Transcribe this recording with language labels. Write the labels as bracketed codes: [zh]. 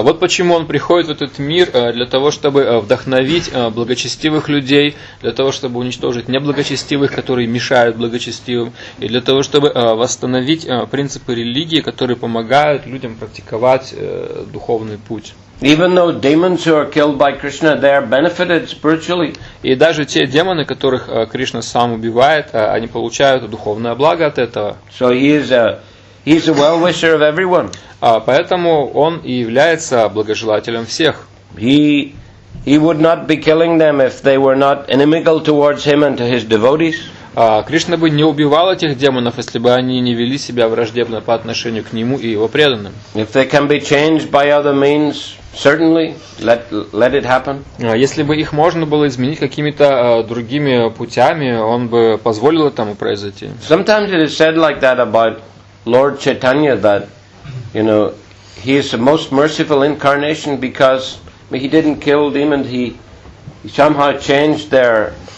[ru] Вот почему он приходит в этот мир, для того, чтобы вдохновить благочестивых людей, для того, чтобы уничтожить неблагочестивых, которые мешают благочестивым, и для того, чтобы восстановить принципы религии, которые помогают людям практиковать духовный путь. [en] Even though demons who are killed by Krishna, they are benefited spiritually. [ru] И даже те демоны, которых Кришна сам убивает, они получают духовное благо от этого. [en] So he is a well-wisher of everyone. [ru] Поэтому он и является благожелателем всех. [en] He would not be killing them if they were not inimical towards him and to his devotees. [ru] Кришна бы не убивал этих демонов, если бы они не вели себя враждебно по отношению к нему и его преданным. [en] If they can be changed by other means, certainly let it happen. [ru] Если бы их можно было изменить какими-то другими путями, он бы позволил этому произойти. [en] Sometimes it is said like that about Lord Chaitanya, that, you know, he is the most merciful incarnation because he didn't kill demons, he somehow changed their